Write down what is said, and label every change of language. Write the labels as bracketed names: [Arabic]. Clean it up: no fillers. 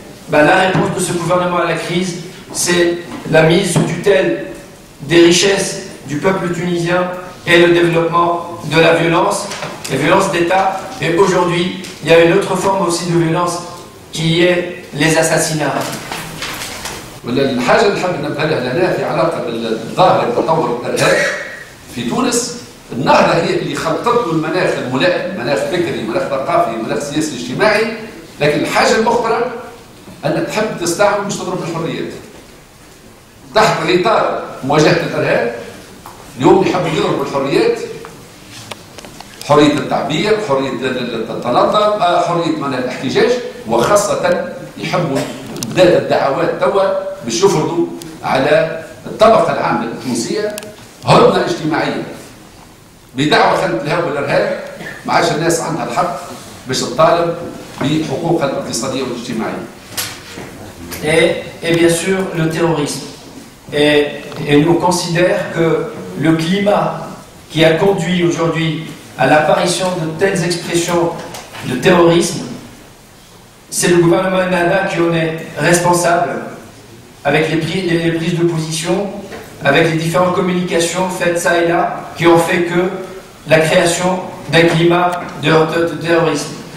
[French] Ben, la réponse de ce gouvernement à la crise, c'est la mise sous tutelle des richesses du peuple tunisien et le développement de la violence, les violences d'État. Et aujourd'hui, il y a une autre forme aussi de violence qui est les assassinats. [Arabic] ولا الحاجة اللي حابين نبهلها لناها في علاقة بالظاهرة التطور الإرهابي في تونس النهضة هي اللي خلطت له المناخ الملائم المناخ فكري المناخ ثقافي المناخ سياسي اجتماعي لكن الحاجة الأخرى أن تحب تستعمل مش تضرب الحريات تحت غطار مواجهة الإرهاب اليوم يحب يضرب الحريات حرية التعبير حرية التنظر حرية من الاحتجاج وخاصة يحبوا بدل الدعوات توا باش يفرضوا على الطبقة العامة التونسية هدنة اجتماعية بدعوة خلف الهوى والإرهاب ما عادش الناس عندها الحق باش تطالب بحقوقها الاقتصادية والاجتماعية. [French] Et bien sûr le terrorisme. Et nous considérons que le climat qui a conduit aujourd'hui à l'apparition de telles expressions de terrorisme, c'est le gouvernement Ennahda qui en est responsable avec les prises de position, avec les différentes communications faites ça et là, qui ont fait que la création d'un climat de terrorisme.